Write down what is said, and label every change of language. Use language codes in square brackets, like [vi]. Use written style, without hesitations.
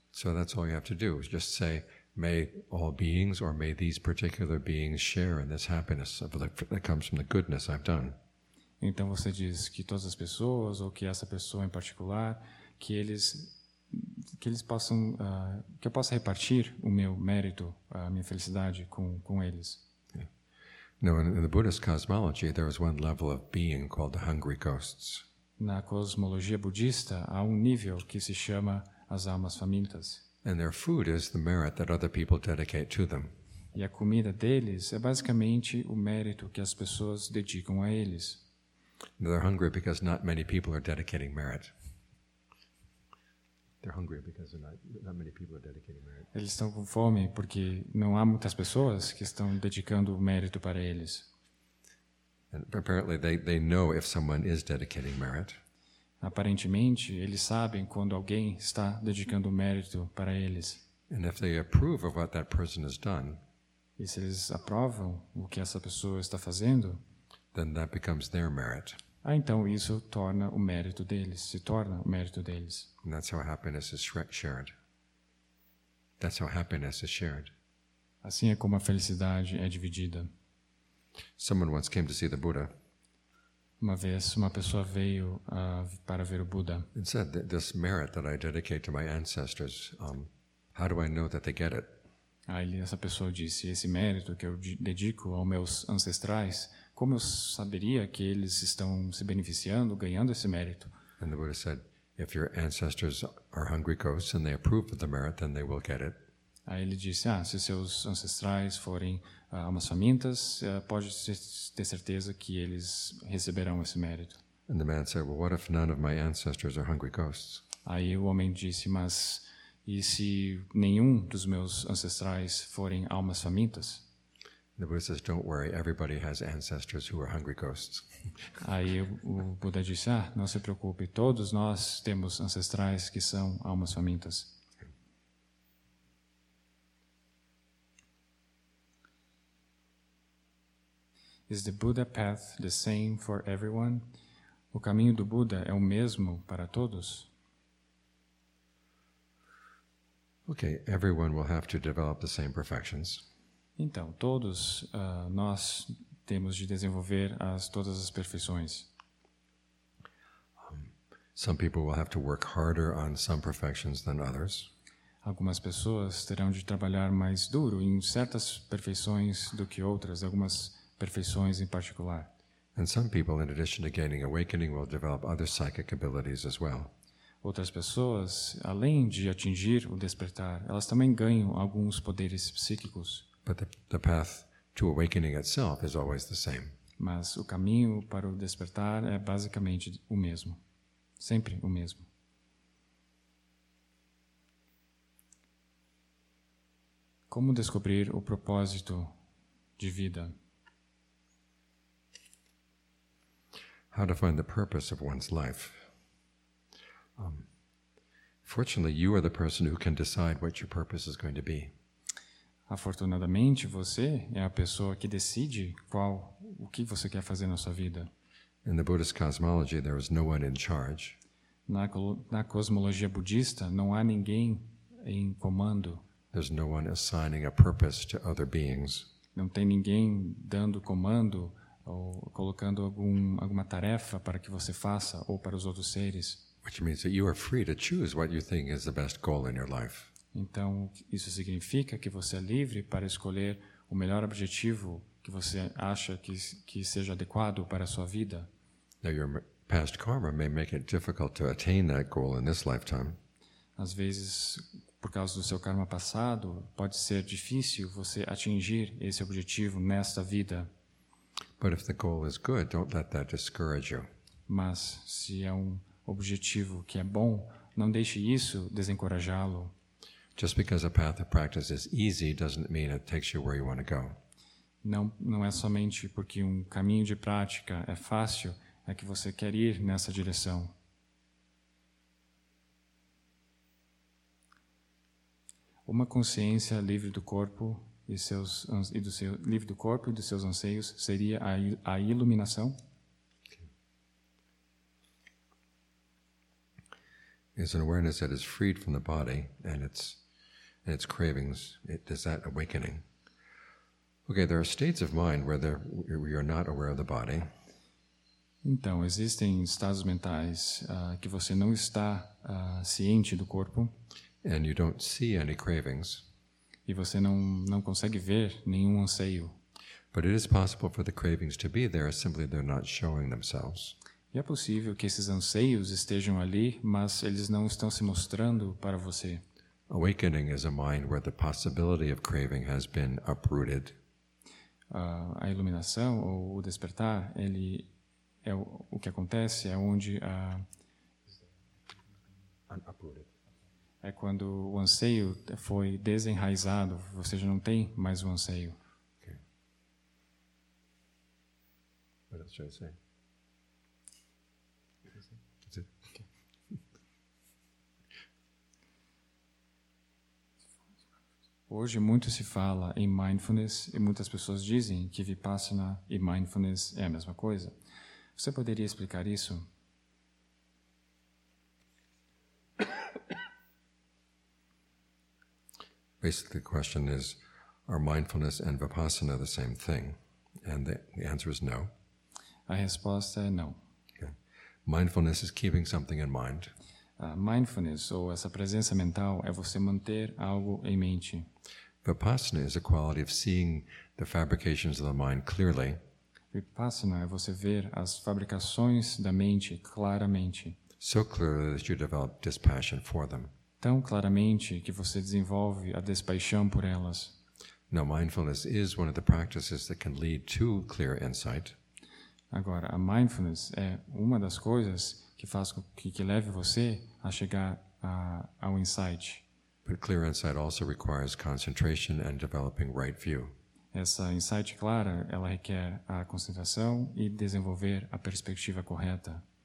[en] So that's all you have to do, is just say, may all beings or may these particular beings share in this happiness that comes from the goodness I've done. [pt] Então você diz que todas as pessoas ou que essa pessoa em particular, que eu possa repartir o meu mérito, a minha felicidade com eles. [en] No, in the Buddhist cosmology, there is one level of being called the hungry ghosts. [pt] Na cosmologia budista, há nível que se chama as almas famintas. [en] And their food is the merit that other people dedicate to them. [pt] E a comida deles é basicamente o mérito que as pessoas dedicam a eles. [en] They're hungry because not many people are dedicating merit. They're hungry because not many people are dedicating merit. [pt] Eles estão com fome porque não há muitas pessoas que estão dedicando mérito para eles. [en] And apparently they know if someone is dedicating merit. [pt] Aparentemente, eles sabem quando alguém está dedicando mérito para eles. [en] And if they approve of what that person has done, [pt] e se eles aprovam o que essa pessoa está fazendo, [en] then that becomes their merit. [pt] Ah, então isso torna o mérito deles, se torna o mérito deles. [en] And that's how happiness is shared. That's how happiness is shared. [pt] Assim é como a felicidade é dividida. [en] Someone once came to see the Buddha. [pt] Uma vez uma pessoa veio para ver o Buda. [en] And said, this merit that I dedicate to my ancestors, how do I know that they get it? [pt] Aí essa pessoa disse, esse mérito que eu dedico aos meus ancestrais, como eu saberia que eles estão se beneficiando, ganhando esse mérito? [en] And the Buddha said, if your ancestors are hungry ghosts and they approve of the merit, then they will get it. [pt] Aí ele disse, se seus ancestrais forem almas famintas, pode ter certeza que eles receberão esse mérito. [en] And the man said, well, what if none of my ancestors are hungry ghosts? [pt] Aí o homem disse, mas e se nenhum dos meus ancestrais forem almas famintas? [en] The Buddha says, don't worry, everybody has ancestors who are hungry ghosts. [pt] Aí o Buda disse, não se preocupe, todos nós temos ancestrais que são almas famintas. [en] Is the Buddha path the same for everyone? [pt] O caminho do Buda é o mesmo para todos? [en] Okay, everyone will have to develop the same perfections. [pt] Então, todos nós temos de desenvolver todas as perfeições. [en] Some people will have to work harder on some perfections than others. [pt] Algumas pessoas terão de trabalhar mais duro em certas perfeições do que outras, algumas perfeições em particular. [en] And some people, in addition to gaining awakening, will develop other psychic abilities as well. [pt] Outras pessoas, além de atingir o despertar, elas também ganham alguns poderes psíquicos. [en] But the path to awakening itself is always the same. [pt] Mas o caminho para o despertar é basicamente o mesmo. Sempre o mesmo. Como descobrir o propósito de vida? [en] How to find the purpose of one's life? Fortunately, you are the person who can decide what your purpose is going to be. [pt] Afortunadamente, você é a pessoa que decide o que você quer fazer na sua vida. [en] In the Buddhist cosmology, there is no one in charge. [pt] Na cosmologia budista, não há ninguém em comando. [en] There's no one assigning a purpose to other beings. [pt] Não tem ninguém dando comando ou colocando alguma tarefa para que você faça ou para os outros seres. [en] Which means that you are free to choose what you think is the best goal in your life. [pt] Então, isso significa que você é livre para escolher o melhor objetivo que você acha que seja adequado para a sua vida. [en] Now your past karma may make it difficult to attain that goal in this lifetime. [pt] Às vezes, por causa do seu karma passado, pode ser difícil você atingir esse objetivo nesta vida. [en] But if the goal is good, don't let that discourage you. [pt] Mas se é um objetivo que é bom, não deixe isso desencorajá-lo. [en] Just because a path of practice is easy doesn't mean it takes you where you want to go. [pt] Não é somente porque um caminho de prática é fácil é que você quer ir nessa direção. Uma consciência livre do corpo e seus e do seu livre do corpo e dos seus anseios seria a iluminação. [en] Is an awareness that is freed from the body and its cravings. Is that awakening? Okay, there are states of mind where we are not aware of the body. [pt] Então, existem estados mentais que você não está ciente do corpo. [en] And you don't see any cravings. [pt] E você não consegue ver nenhum anseio. [en] But it is possible for the cravings to be there, simply they're not showing themselves. [pt] E é possível que esses anseios estejam ali, mas eles não estão se mostrando para você. [en] Awakening is a mind where the possibility of craving has been uprooted. [pt] A iluminação ou o despertar, ele é o que acontece é onde é quando o anseio foi desenraizado, você já não tem mais o anseio. [en] Okay. What else should I say? [pt] Hoje muito se fala em mindfulness e muitas pessoas dizem que vipassana e mindfulness é a mesma coisa. Você poderia explicar isso? [en] Basically, the question is, are mindfulness and vipassana the same thing? And the answer is no. [pt] A resposta é não. [en] Okay. Mindfulness is keeping something in mind. [pt] Mindfulness, ou essa presença mental, é você manter algo em mente. [en] Vipassana is a quality of seeing the fabrications of the mind clearly. [pt] Vipassana é você ver as fabricações da mente claramente. [en] So clearly that you develop dispassion for them. [pt] Tão claramente que você desenvolve a despaixão por elas. [en] Now, mindfulness is one of the practices that can lead to clear insight. [pt] Agora, a mindfulness é uma das coisas que faz com que leve você a chegar ao insight. [en] But clear insight also requires concentration and developing right view. [pt] Essa insight clara, ela requer a concentração e desenvolver a perspectiva correta.